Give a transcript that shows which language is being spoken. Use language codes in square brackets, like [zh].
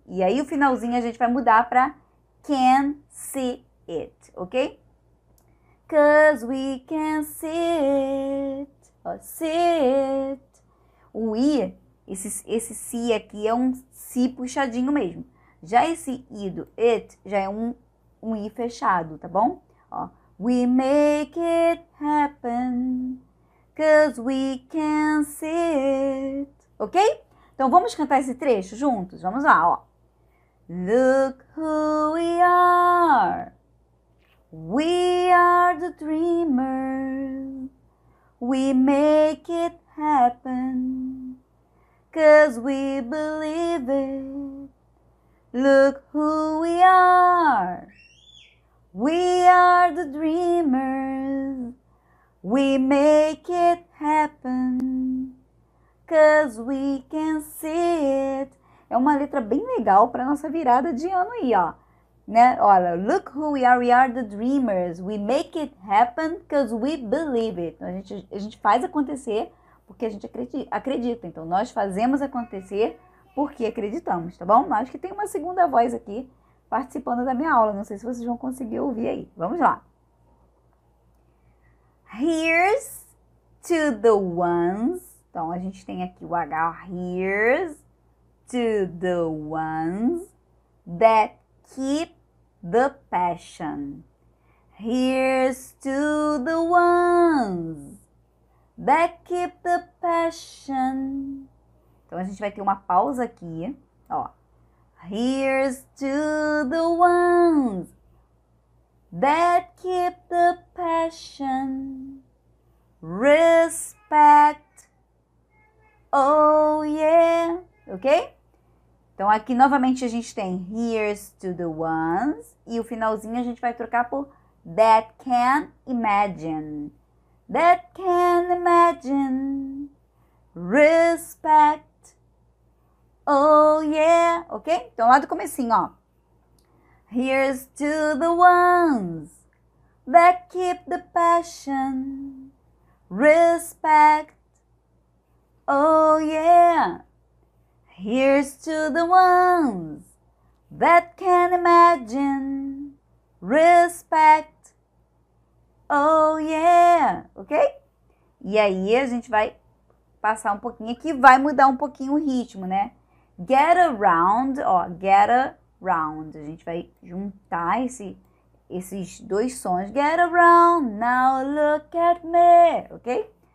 [pt] E aí o finalzinho a gente vai mudar para [en] can see it, [pt] ok? [en] Cause we can see it. Sit. [pt] O I, esse si aqui é um si puxadinho mesmo. Já esse [en] I do it [pt] já é um I fechado, tá bom? [en] Ó, we make it happen, cause we can see it. Ok? [pt] Então vamos cantar esse trecho juntos? Vamos lá, ó. [en] Look who we are. We are the dreamers. We make it happen, cause we believe it. Look who we are. We are the dreamers. We make it happen, cause we can see it. [pt] É uma letra bem legal para nossa virada de ano aí, ó. Né? [en] Olha, look who we are the dreamers. We make it happen because we believe it. [pt] Então, a gente faz acontecer porque a gente acredita. Então, nós fazemos acontecer porque acreditamos, tá bom? Acho que tem uma segunda voz aqui participando da minha aula. Não sei se vocês vão conseguir ouvir aí. Vamos lá. [en] Here's to the ones. [pt] Então, a gente tem aqui o H. [en] Here's to the ones that keep the passion. Here's to the ones that keep the passion. [pt] Então, a gente vai ter uma pausa aqui, ó. [en] Here's to the ones that keep the passion, respect. Oh yeah, ok? [pt] Então aqui novamente a gente tem [en] here's to the ones [pt] e o finalzinho a gente vai trocar por [en] that can imagine. That can imagine, respect. Oh yeah, ok? [pt] Então lá do comecinho, ó. [en] Here's to the ones that keep the passion, respect. Oh yeah. Here's to the ones that can imagine, respect. Oh yeah, ok? [pt] E aí a gente vai passar um pouquinho aqui, vai mudar um pouquinho o ritmo, né? [en] Get around, ó, get around. [pt] A gente vai juntar esses dois sons. [en] Get around, now look at me, ok?